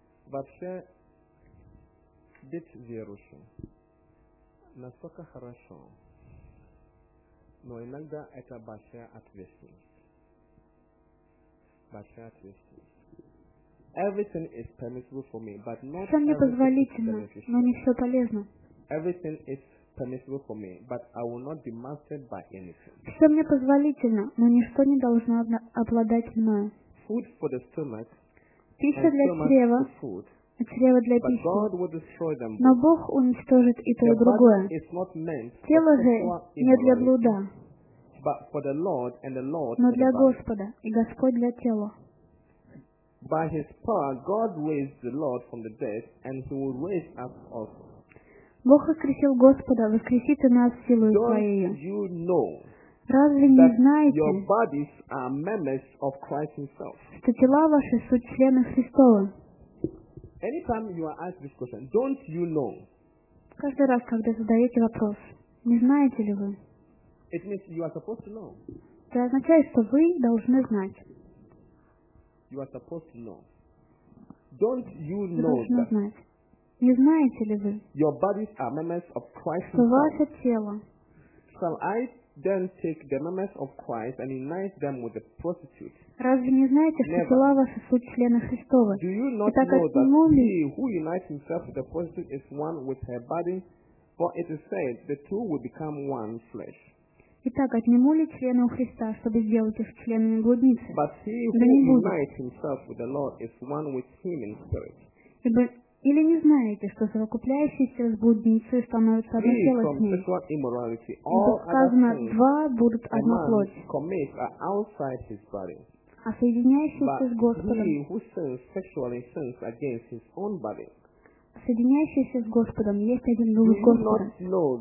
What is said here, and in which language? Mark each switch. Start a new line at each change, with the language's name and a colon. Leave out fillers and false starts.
Russian: Вообще, быть верующим настолько хорошо, но иногда это большая ответственность. Большая ответственность.
English: Everything is permissible for me, but not everything is beneficial. Everything is permissible for me, but I will not be mastered by anything.
Russian: Все мне позволительно, но ничто не должно обладать мной.
English: Food for the stomach.
Russian: Пища для чрева. А чрево для пищи. Но Бог уничтожит и то, и другое. Тело же не для блуда. Но для Господа, и Господь для тела.
English: By His power, God raised the Lord from the dead, and He will raise us also.
Russian: Бог воскресил Господа, воскресит и нас силой Своей.
English: You know,
Russian: разве не знаете,
English: your bodies are members of Christ Himself?
Russian: Что тела ваши суть члены Христова?
English: Anytime you are asked this question, don't you know?
Russian: Каждый раз, когда задаете вопрос, не знаете ли вы?
English: It means you are supposed to know.
Russian: Это означает, что вы должны знать.
English: You are supposed to know. Don't you know?
Russian: Вы должны знать. Не знаете ли вы?
English: Your bodies are members of Christ.
Russian: Что ваше тело?
English: Shall I then take the members of Christ and unite them with the prostitute?
Russian: Разве не знаете, что тела ваши суть члена Христова?
English: Do you not know that he who unites himself with the prostitute is one with her body? For it is said, the two will become one flesh.
Russian: Итак, отниму ли члены у Христа, чтобы сделать их членами блудницы?
English: But he who unites himself with the Lord is one with him in spirit.
Russian: Или не знаете, что совокупляющиеся с блудницей становятся одно тело с ней? Ибо сказано, два будут одна плоть. А соединяющиеся с Господом, соединяющиеся с Господом есть один дух